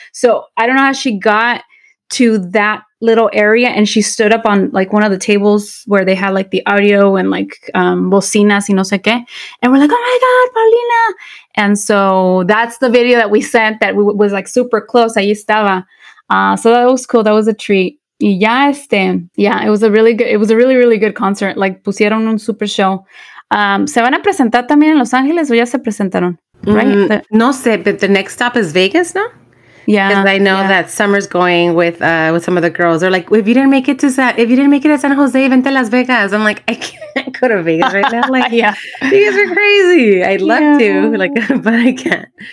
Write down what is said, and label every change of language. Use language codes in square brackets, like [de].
[en] So I don't know how she got to that little area, and she stood up on, like, one of the tables where they had, like, the audio and, like, [es] bocinas y no sé qué. [en] And we're like, oh, my God, Paulina. And so that's the video that we sent that was, like, super close. [es] Ahí estaba. [en] So that was cool. That was a treat. Yeah, it was a really good, really, really good concert. [es] Like, pusieron un super show. ¿Se van a presentar también en Los Ángeles o ya se presentaron? [en] Right? [es] No sé, [en] but the next stop is Vegas, no? Yeah. Because I know that Summer's going with some of the girls. They're like, if you didn't make it to San Jose, [es] vente a Las Vegas. [en] I'm like, I can't go to Vegas right now. Like, yeah. You guys are crazy. I'd love to, like, but I can't.